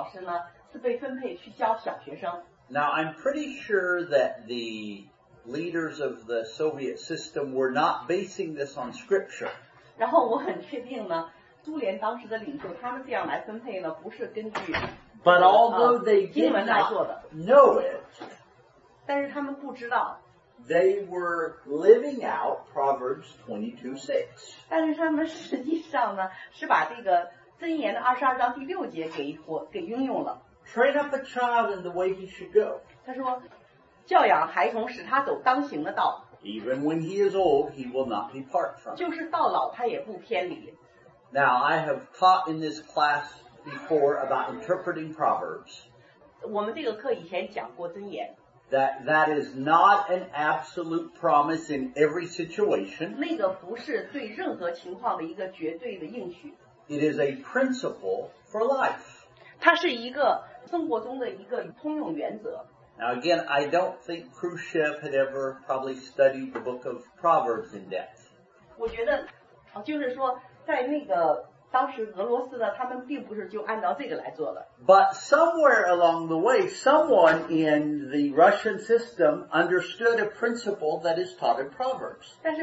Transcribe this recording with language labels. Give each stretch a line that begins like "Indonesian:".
Chinese: 但是呢，那个最棒的老师，那个真正很最出色的老师呢，是被分配去教小学生。
English: Now I'm pretty sure that the leaders of the Soviet system were not basing this on scripture.
Chinese: 然后我很确定呢，苏联当时的领袖他们这样来分配呢，不是根据。
English: But although they did not know it,
Chinese: 但是他们不知道。
English: They were living out Proverbs 22:6.
Chinese: 但是他们实际上呢，是把这个箴言的22:6给应用了。
English: Train up a child in the way he should go.
Chinese: 他说，教养孩童，使他走当行的道。
English: Even when he is old, he will not depart from it.
Chinese: 就是到老他也不偏离。
English: Now, I have taught in this class before about interpreting Proverbs.
Chinese: 我们这个课以前讲过箴言。
English: That that is not an absolute promise in every situation.
Chinese: 那个不是对任何情况的一个绝对的应许。
English: It is a principle for life.
Chinese: 它是一个生活中的一个通用原则。
English: Now again, I don't think Khrushchev had ever probably studied the book of Proverbs in depth.
Chinese: 我觉得，就是说，在那个当时俄罗斯的，他们并不是就按照这个来做的。
English: But somewhere along the way, someone in the Russian system understood a principle that is taught in Proverbs.